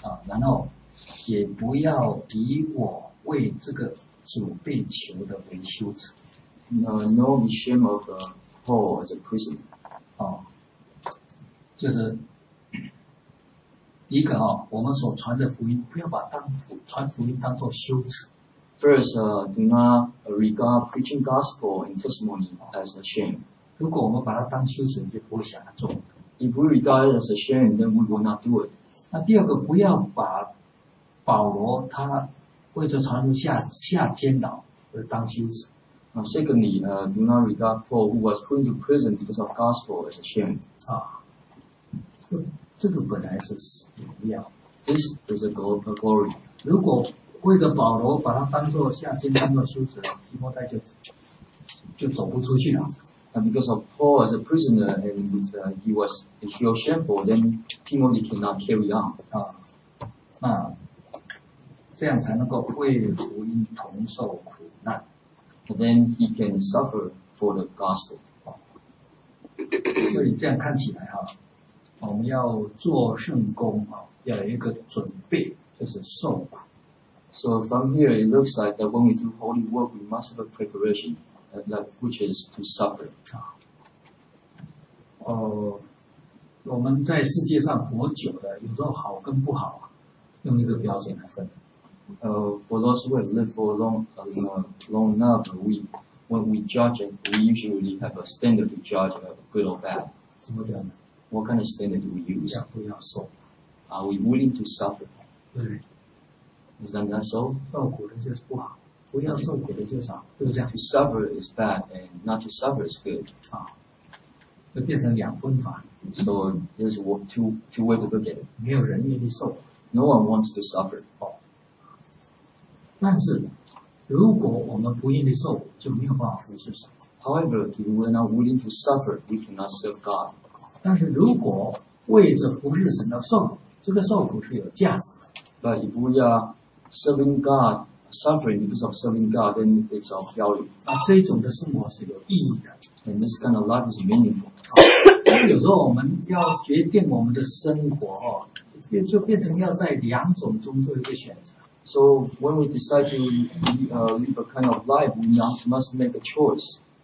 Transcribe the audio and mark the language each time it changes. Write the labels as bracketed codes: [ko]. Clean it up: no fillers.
[zh] 然后也不要以我为这个主被囚的为羞耻。 [en] No be ashamed of Paul as a prisoner. [zh] 就是第一个我们所传的福音不要把传福音当作羞耻。 [en] First, do not regard preaching gospel and testimony as a shame. [zh] 如果我们把它当羞耻，就不会想要做。 [en] If we regard it as a shame, then we will not do it. [zh] 那第二个，不要把保罗他为着传福音下监牢而当羞耻。 [en] Secondly, do not regard Paul who was put into prison because of gospel as a shame. [zh] 这个本来是荣耀。 [en] This is a glory. [zh] 如果为着保罗把他当作下监当作羞耻，提摩太就走不出去了。 [en] And because of Paul as a prisoner and he was shameful, then Timothy cannot carry on. [zh] 这样才能够为福音同受苦难。 [en] And then he can suffer for the gospel. [zh] 所以这样看起来我们要做圣工要有一个准备，就是受苦。 [en] So from here it looks like that when we do holy work, we must have a preparation. Which is to suffer. [zh] 我们在世界上活久的，有时候好跟不好，用一个标准来分。 [en] For those who have lived for long enough, when we judge, we usually have a standard to judge of good or bad. [zh] 什么标准？ [en] What kind of standard do we use? [zh] 要不要受？ [en] Are we willing to suffer? [zh] 对。 [en] Is that not so? [zh] 受苦的就是不好。不要受苦的就是好，是不是？ [en] To suffer is bad, and not to suffer is good. [zh] 就变成两分法。 [en] So there's two ways to look at it. [zh] 没有人愿意受苦。 [en] No one wants to suffer. [zh] 但是，如果我们不愿意受苦，就没有办法服侍神。 [en] However, if we're not willing to suffer, we cannot serve God. [zh] 但是如果为着服侍神而受苦，这个受苦是有价值的。 [en] But if we are serving God,Suffering because of serving God, then it's of value. [zh] 这种的生活是有意义的。 [en] And this kind of life is meaningful. [zh] 有时候我们要决定我们的生活就变成要在两种中做一个选择。 [en] So when we decide to live a kind of life, we must make a choice.